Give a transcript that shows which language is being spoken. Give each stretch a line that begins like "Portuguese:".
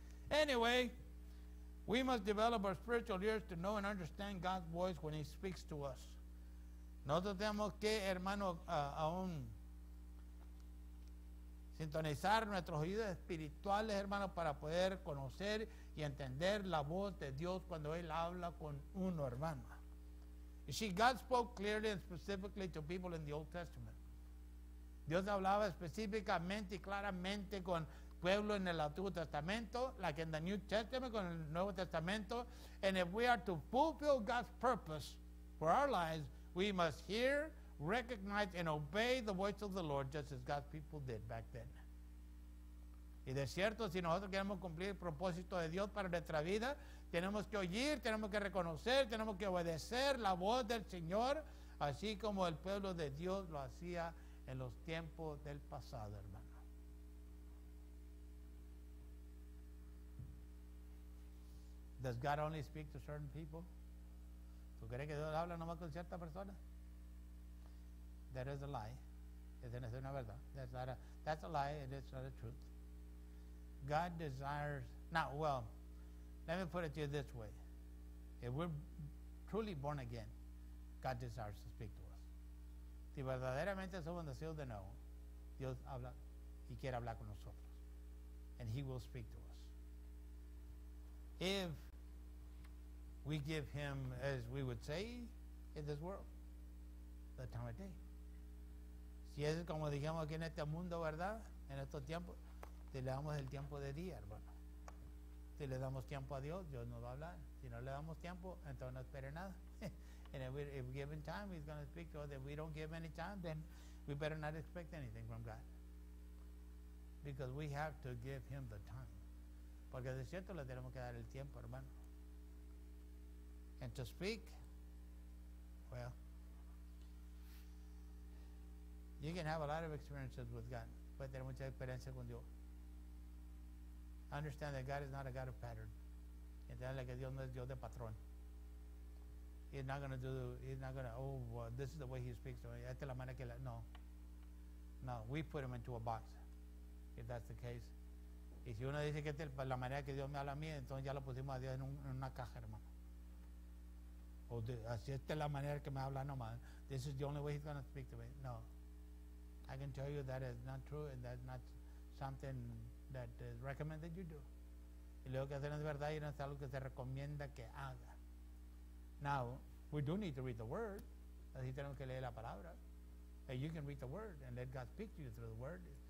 English: Anyway, we must develop our spiritual ears to know and understand God's voice when he speaks to us.
Spanish: Nosotros tenemos que, hermano, aún sintonizar nuestros oídos espirituales, hermano, para poder conocer y entender la voz de Dios cuando Él habla con uno, hermano.
English: You see, God spoke clearly and specifically to people in the Old Testament.
Spanish: Dios hablaba específicamente y claramente con pueblo en el Antiguo Testamento,
English: like in the New Testament,
Spanish: con el Nuevo Testamento.
English: And if we are to fulfill God's purpose for our lives, we must hear, recognize, and obey the voice of the Lord, just as God's people did back then.
Spanish: Y de cierto, si nosotros queremos cumplir el propósito de Dios para nuestra vida, tenemos que oír, tenemos que reconocer, tenemos que obedecer la voz del Señor, así como el pueblo de Dios lo hacía en los tiempos del pasado, hermano.
English: Does God only speak to certain people?
Spanish: ¿Tú crees que Dios habla nomás con cierta persona?
English: That is a lie.
Spanish: Es una verdad.
English: That's a lie and it's not a truth. God desires, now, well, let me put it to you this way. If we're truly born again, God desires to speak to us.
Spanish: Si verdaderamente somos nacidos de nuevo, Dios habla y quiere hablar con nosotros.
English: And he will speak to us. If we give him, as we would say in this world, the time of day.
Spanish: Si es como dijimos aquí en este mundo, ¿verdad? En estos tiempos. Si le damos el tiempo de día, hermano. Si le damos tiempo a Dios, Dios nos va a hablar. Si no le damos tiempo, entonces no espere nada.
English: And if we're given time, he's going to speak to us. If we don't give any time, then we better not expect anything from God. Because we have to give him the time.
Spanish: Porque de cierto le tenemos que dar el tiempo, hermano.
English: And to speak, well, you can have a lot of experiences with God.
Spanish: Puede tener mucha experiencia con Dios.
English: Understand that God is not a God of pattern.
Spanish: Entiende que Dios no es Dios de patrón.
English: He's not going to do, he's not going to, oh, well, this is the way he speaks to me.
Spanish: Esta es la manera que la, no.
English: No, we put him into a box, if that's the case.
Spanish: Y si uno dice que esta es la manera que Dios me habla a mí, entonces ya lo pusimos a Dios en una caja, hermano. O de, así esta es la manera que me habla nomás.
English: This is the only way he's going to speak to me. No. I can tell you that is not true and that's not something that is recommended you do.
Spanish: Y luego que hacer es verdad y no es algo que se recomienda que haga.
English: Now, we do need to read the word.
Spanish: Así tenemos que leer la palabra.
English: And you can read the word and let God speak to you through the word.